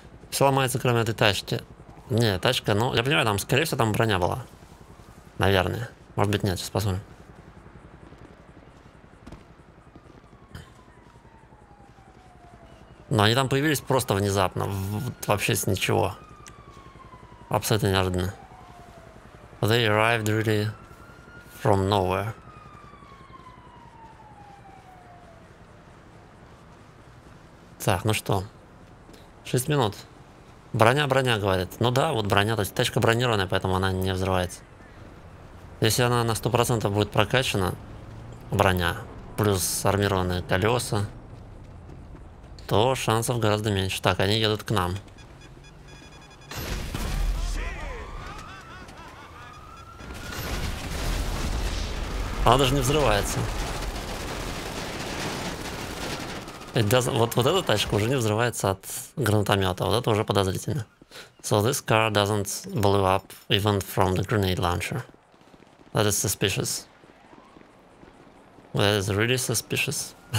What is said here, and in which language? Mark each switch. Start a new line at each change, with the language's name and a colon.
Russian: Все ломается, кроме этой тачки. Не, тачка, ну, я понимаю, там, скорее всего, там броня была. Наверное. Может быть, нет, сейчас посмотрим. Но они там появились просто внезапно. Вообще с ничего. Абсолютно неожиданно.
English: They arrived really from nowhere.
Russian: Так, ну что? 6 минут. Броня, броня, говорит. Ну да, вот броня, то есть тачка бронированная, поэтому она не взрывается. Если она на 100% будет прокачана, броня, плюс армированные колеса, то шансов гораздо меньше. Так, они едут к нам. Она даже не взрывается. Вот эта тачка уже не взрывается от гранатомета. Вот это уже подозрительно.
English: So this car doesn't blow up even from the grenade launcher. That is suspicious. That is really suspicious.